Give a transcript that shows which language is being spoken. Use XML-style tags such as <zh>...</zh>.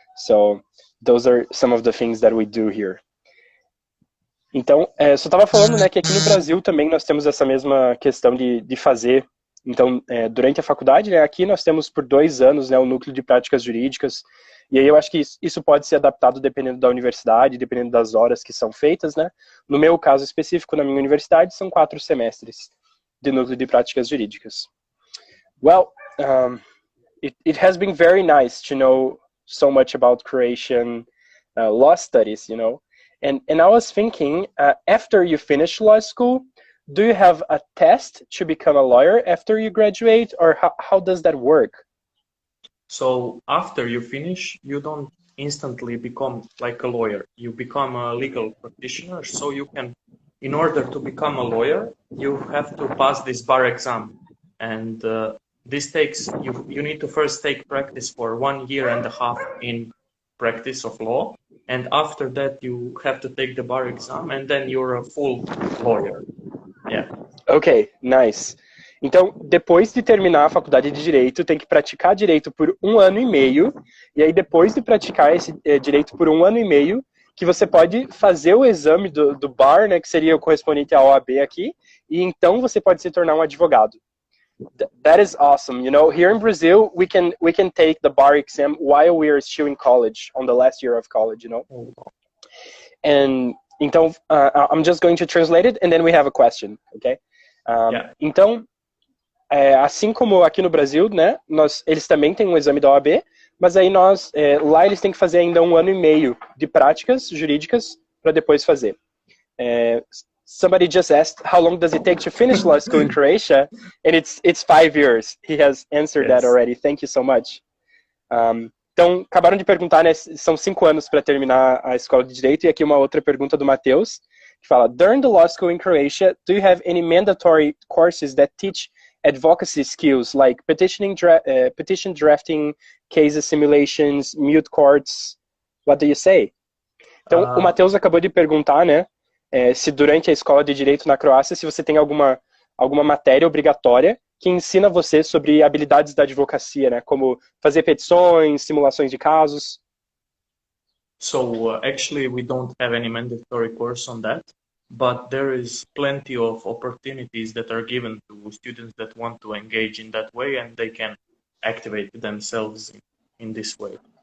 <en>So those are some of the things that we do here.</en> <pt>Então, só estava falando, né, que aqui no Brasil também nós temos essa mesma questão de fazer. Então, durante a faculdade, né, aqui nós temos por 2 anos, né, o núcleo de práticas jurídicas. E aí eu acho que isso pode ser adaptado dependendo da universidade, dependendo das horas que são feitas, né? No meu caso específico, na minha universidade, são 4 semestres. the Núcleo de Práticas Jurídicas.</pt> <en>Well, it has been very nice to know so much about Croatian law studies, you know. And I was thinking, after you finish law school, do you have a test to become a lawyer after you graduate, or how does that work? So after you finish, you don't instantly become like a lawyer. You become a legal practitioner, so you can, in order to become a lawyer, you have to pass this bar exam. And this takes, you need to first take practice for 1 year and a half in practice of law. And after that, you have to take the bar exam, and then you're a full lawyer. Yeah. Okay, nice.</en> <pt>Então, depois de terminar a faculdade de direito, tem que praticar direito por 1 ano e meio. E aí, depois de praticar esse direito por 1 ano e meio, que você pode fazer o exame do bar, né, que seria o correspondente à OAB aqui, e então você pode se tornar um advogado.</pt> <en>That is awesome. You know, here in Brazil, we can take the bar exam while we are still in college, on the last year of college, you know? And então, I'm just going to translate it, and then we have a question, okay? Yeah.</en> <pt>Então, assim como aqui no Brasil, né, eles também têm um exame da OAB, mas aí nós, lá eles têm que fazer ainda 1 ano e meio de práticas jurídicas para depois fazer.</pt> <en>Somebody just asked, how long does it take to finish law school in Croatia? And it's 5 years. He has answered that already. Thank you so much.</en> <pt>Então, acabaram de perguntar, né, são 5 anos para terminar a escola de direito. E aqui uma outra pergunta do Matheus, que fala,</pt> <en>during the law school in Croatia, do you have any mandatory courses that teach advocacy skills, like petition drafting, case simulations, mute courts? What do you say?</en> <pt>Então, o Matheus acabou de perguntar, né, se durante a escola de direito na Croácia, se você tem alguma matéria obrigatória que ensina você sobre habilidades da advocacia, né? Como fazer petições, simulações de casos.</pt> <en>So, actually, we don't have any mandatory course on that, but there is plenty of opportunities that are given to students that want to engage in that way, and they can activate themselves in this way.</en>